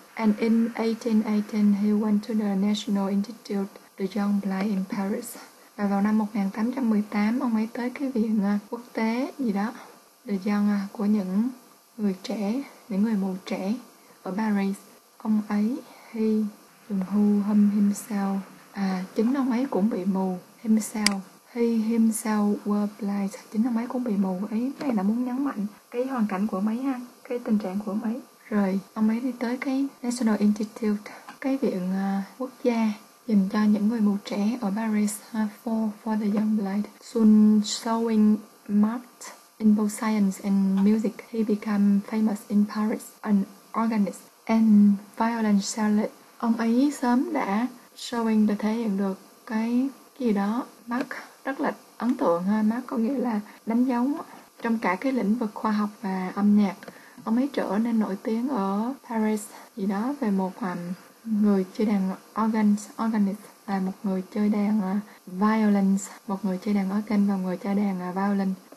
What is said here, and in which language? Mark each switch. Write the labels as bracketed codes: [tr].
[en] And in 1818, he went to the National Institute the Young Blind in Paris. [vi] Và vào năm 1818, ông ấy tới cái viện quốc tế gì đó, The Young, của những người trẻ, những người mù trẻ ở Paris. Ông ấy, he, dùng who, him, himself. À, chính ông ấy cũng bị mù, himself. [en] He, himself, were blind. [vi] Chính ông ấy cũng bị mù. Ấy, mấy là muốn nhấn mạnh cái hoàn cảnh của mấy ha, cái tình trạng của mấy. Rồi, ông ấy đi tới cái National Institute, cái viện quốc gia dành cho những người mù trẻ ở Paris, [en] for the young blind. Soon showing marked in both science and music, he became famous in Paris, an organist and violoncellist. [vi] Ông ấy sớm đã showing, đã thể hiện được cái gì đó mark, rất là ấn tượng ha. Mark có nghĩa là đánh dấu trong cả cái lĩnh vực khoa học và âm nhạc. Ông ấy trở nên nổi tiếng ở Paris gì đó về một người chơi đàn organist và một người chơi đàn violin, một người chơi đàn organ và một người chơi đàn violin.